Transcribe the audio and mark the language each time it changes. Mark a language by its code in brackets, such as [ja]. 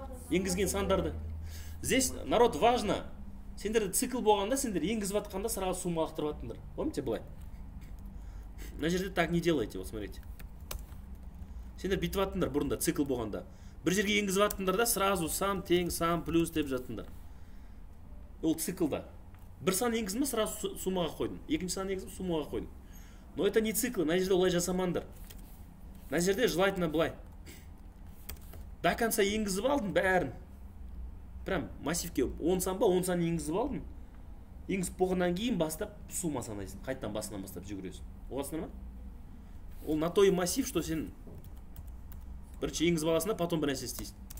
[kk] Енгізген сандарды. [ru] Здесь, народ, важно. [kk] Сендерде цикл болғанда, сендер енгізіп жатқанда сразу сумма лақтырып жатыңдар. [ru] Помните, [kk] былай? Мына жерде [ru] так не делайте, вот смотрите. [kk] Сендер бүйтіп жатыңдар бұрында цикл болғанда. Бір жерге енгізіп жатыңдар да, сразу сам тең, сам плюс деп жатыңдар. Ол циклда. Бір сан енгізіп, сразу суммаға қойдың. Екінші сан енгізіп, суммаға қойдың. [ru] Но это не цикл, [kk] мына жерде олай жасамаңдар. Мына жерде желательно былай. До конца енгізіп алдың бәрін. Прям массивке 10 сан ба, 10 сан енгізіп алдың. Енгізіп болғаннан кейін бастап сумма санайсың. Қайтадан басынан бастап жүгіресің. Оғасыңдар ма? Ол на той массив, что сен бірінші енгізіп аласың, потом бір нәрсе істейсің.